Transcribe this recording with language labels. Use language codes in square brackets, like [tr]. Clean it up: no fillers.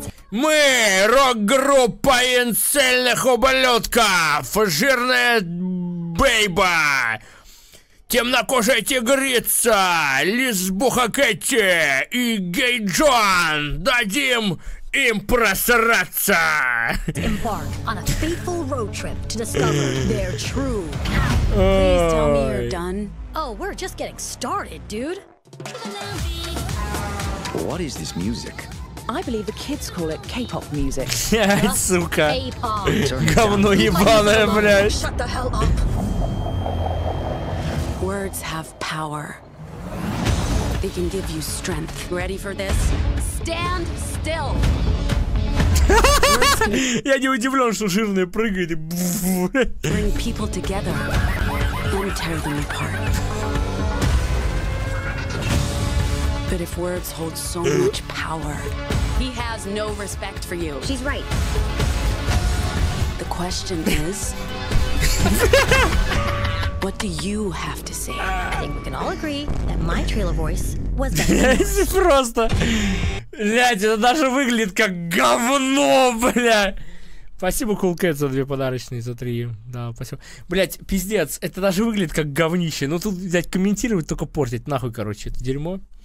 [ru] Мы рок-группа инцельных ублюдков, жирная бейба, темнокожая тигрица, лесбуха Кэти и гей Джон. Дадим им просраться. [en] Embark on a fateful road trip to discover their true. Please tell me you're done. Oh, we're just getting started, dude. What is this music? I believe the kids call it K-pop music. [ru] Ай, сука. Говно ебаное, блядь. [en] Shut the hell up. Words have power. They can give you strength. Ready for this? Stand still. [ru] Я не удивлен, что жирные прыгают. [en] Bring people together. Don't tear them apart. But if words hold so much power, he has no respect for you. She's right. The question is, what do you have to say? I think we can all agree that my trailer voice was better. [ru] Просто, блядь, это даже выглядит как говно, бля. Спасибо, Cool Cat, за 2 подарочные, за 3. Да, спасибо. Блять, пиздец, это даже выглядит как говнище. Ну тут, блядь, комментировать только портит. Нахуй, короче, это дерьмо.